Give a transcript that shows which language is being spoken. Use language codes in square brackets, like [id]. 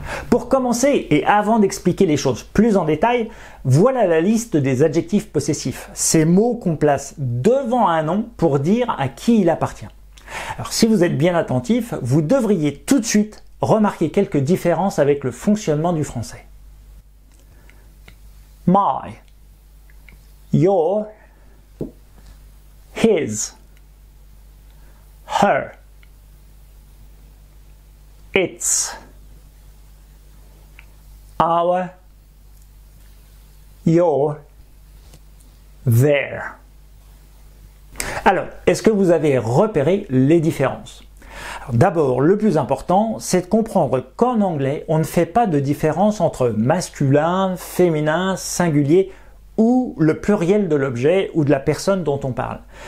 [fr] Pour commencer, et avant d'expliquer les choses plus en détail, voilà la liste des adjectifs possessifs, ces mots qu'on place devant un nom pour dire à qui il appartient. Alors, si vous êtes bien attentif, vous devriez tout de suite remarquer quelques différences avec le fonctionnement du français. [en] My, your, his, her, its, our, your, their. [fr] Alors, est-ce que vous avez repéré les différences? Alors, d'abord, le plus important, c'est de comprendre qu'en anglais, on ne fait pas de différence entre masculin, féminin, singulier ou le pluriel de l'objet ou de la personne dont on parle.